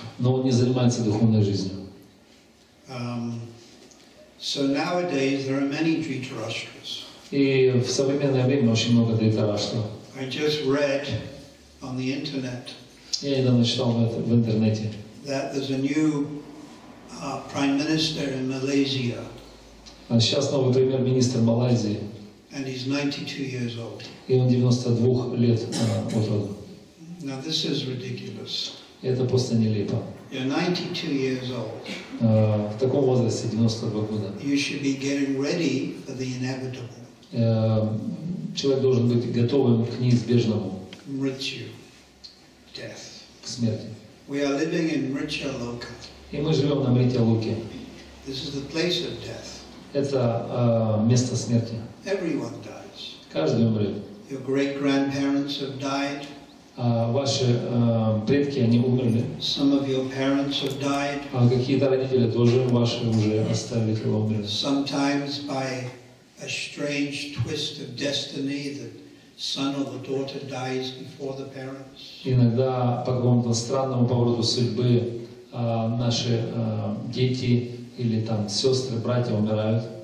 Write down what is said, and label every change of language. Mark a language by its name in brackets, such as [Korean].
[Russian] Но он не занимается духовной жизнью. [English] So nowadays there are many Dhritarashtras. [Russian] И в современное время очень много Дритарашта. [English] I just read on the internet. [Russian] Я недавно читал в интернете. [English] That there's a new prime minister in Malaysia. [Russian] Он сейчас новый премьер-министр Малайзии. [English] And he's 92 years old. [Russian] И он 92 лет от роду. [English] Now this is ridiculous. [Russian] Это просто нелепо. [English] You're 92 years old. [Russian] В таком возрасте 92 года. [English] You should be getting ready for the inevitable. [Russian] Человек должен быть готовым к неизбежному. [English] Mrityu. Death. [Russian] К смерти. [English] We are living in Mrityaloka. [Russian] И мы живем на Мритьялоке. [English] This is the place of death. [Russian] Это место смерти. [English] Everyone dies. [Russian] Каждый умрет. [English] Your great-grandparents have died. [Russian] Ваши предки, они умерли. [English] Some of your parents have died. [Russian] А какие-то родители тоже ваши уже оставили или умерли. [English] Sometimes by a strange twist of destiny, the son or the daughter dies before the parents. [Russian] Иногда по какому-то странному повороту судьбы наши дети или там сестры, братья умирают.